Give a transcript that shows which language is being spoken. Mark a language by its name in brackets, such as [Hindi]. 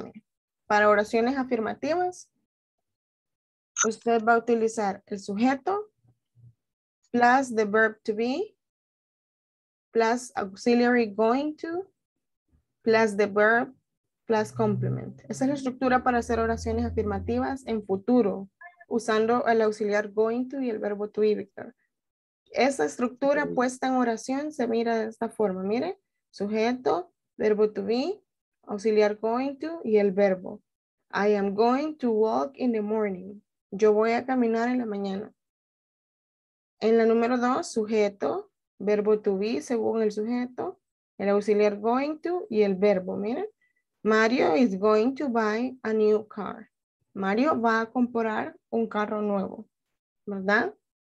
[Spanish] Mira. Para oraciones afirmativas, usted va a utilizar el sujeto [English] plus the verb to be plus auxiliary going to plus the verb plus complement. [Spanish] Esa es la estructura para hacer oraciones afirmativas en futuro, usando el auxiliar going to y el verbo to be, Victor. Esa estructura puesta en oración se mira de esta forma, mire. Sujeto, verbo to be, auxiliar going to y el verbo. [English] I am going to walk in the morning. [Spanish] Yo voy a caminar en la mañana. En la número 2, sujeto, verbo to be según el sujeto, el auxiliar going to y el verbo, miren. [English] Mario is going to buy a new car. [Spanish] Mario va a comprar un carro nuevo, ¿verdad?